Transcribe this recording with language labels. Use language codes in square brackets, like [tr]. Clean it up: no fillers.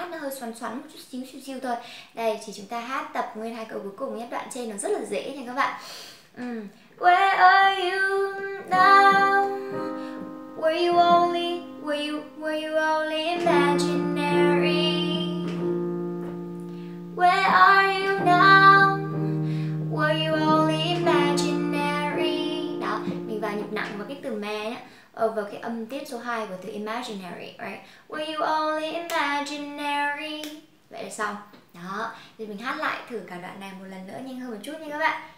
[vi] 酸酸 một chút xíu xíu xíu thôi. Đây thì chúng ta hát tập nguyên hai câu cuối cùng nhé. Đoạn trên nó rất là dễ nha các bạn. [en] Where are you now? Were you only were you only imaginary? Where are you now? Were you only imaginary? [vi] Đó, mình vào nhịp nặng vào cái từ me nhé. Vào cái âm tiết số 2 của từ imaginary, right? [en] Were you only imaginary? [vi] Vậy là xong. Đó, thì mình hát lại thử cả đoạn này một lần nữa nhanh hơn một chút nha các bạn.